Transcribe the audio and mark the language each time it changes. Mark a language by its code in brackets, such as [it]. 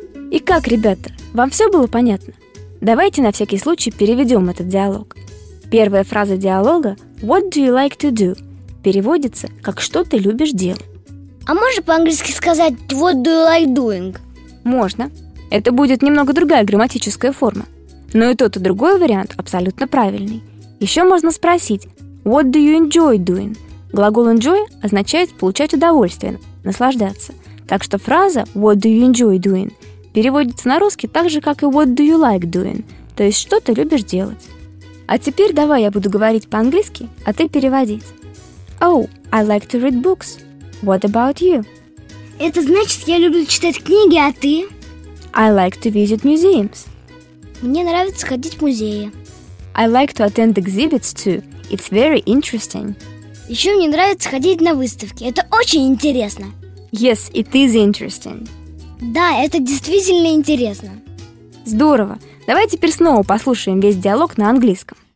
[ru] И как, ребята, вам все было понятно? Давайте на всякий случай переведем этот диалог. Первая фраза диалога [en] «What do you like to do?» [ru] переводится как «Что ты любишь делать?» А можно по-английски сказать [en] «What do you like doing?» [ru] Можно. Это будет немного другая грамматическая форма. Но и тот, и другой вариант абсолютно правильный. Еще можно спросить [en] «What do you enjoy doing?» [ru] Глагол «enjoy» означает «получать удовольствие», «наслаждаться». Так что фраза [en] «What do you enjoy doing?» [ru] переводится на русский так же, как и [en] «What do you like doing?» [ru] То есть «Что ты любишь делать?» А теперь давай я буду говорить по-английски, а ты переводить. [en] «Oh, I like to read books». What about you? [ru] Это значит, я люблю читать книги, а ты? [en] I like to visit museums. [ru] Мне нравится ходить в музеи. [en] I like to attend exhibits too. It's very interesting. [ru] Еще мне нравится ходить на выставки. Это очень интересно. [en] Yes, it is interesting. [ru] Да, это действительно интересно. Здорово. Давай теперь снова послушаем весь диалог на английском.